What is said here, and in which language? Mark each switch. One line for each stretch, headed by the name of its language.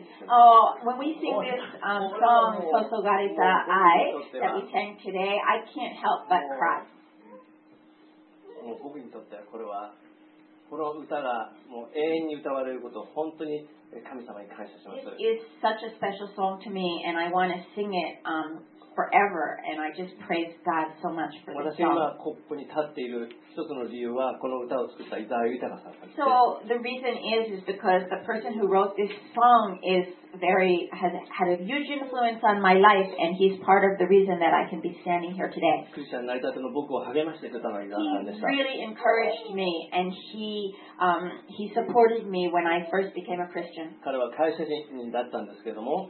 English: Oh, when we sing this song, Sosogareta Ai, that we sang today, I can't help but cry. This is such a special song to me, and I want to sing it forever, and I just praise God so much for this song.
Japanese: 私が今コップに立っている一つの理由はこの歌を作った伊沢豊さんです。
English: So the reason is because the person who wrote this song is has had a huge influence on my life, and he's part of the reason that I can be standing here today.
Japanese: クリスチャンになりたての僕を励ましてくれたのが伊沢さんでした。
English: He really encouraged me, and he supported me when I first became a Christian.
Japanese: 彼は会社人だったんですけども、